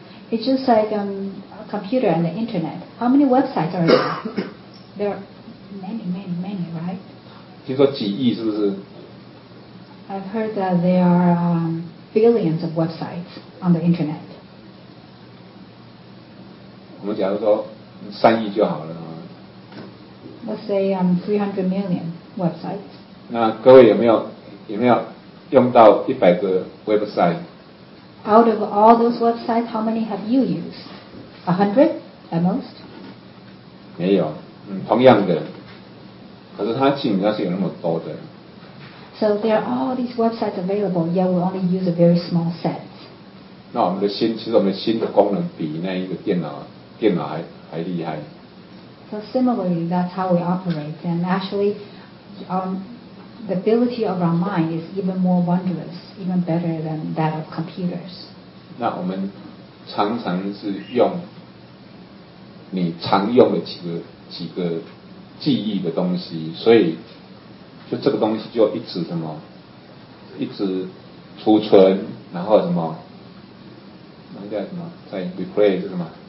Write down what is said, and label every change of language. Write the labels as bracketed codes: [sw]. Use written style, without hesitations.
[en] It's just like a computer and the internet. How many websites are there? There. Many, right? [zh] 听说几亿是不是？ [en] I've heard that there are billions of websites on the internet. [zh] 我们假如说三亿就好了。 [en] Let's say 300 million websites. [zh] 那各位有没有用到100个 website? [en] Out of all those websites, how many have you used? 100 at most? [zh] 没有，同样的。可是它竟然是有那么多的。 [en] So there are all these websites available, yet we only use a very small set. [zh] 那我们的心，其实我们的心的功能比那一个电脑还厉害。 [en] So similarly, that's how we operate. And actually, the ability of our mind is even more wondrous, even better than that of computers. [zh] 那我们常常是用你常用的几个。记忆的东西，所以就这个东西就一直什么，一直储存，然后什么，那叫什么，在 replay 是什么？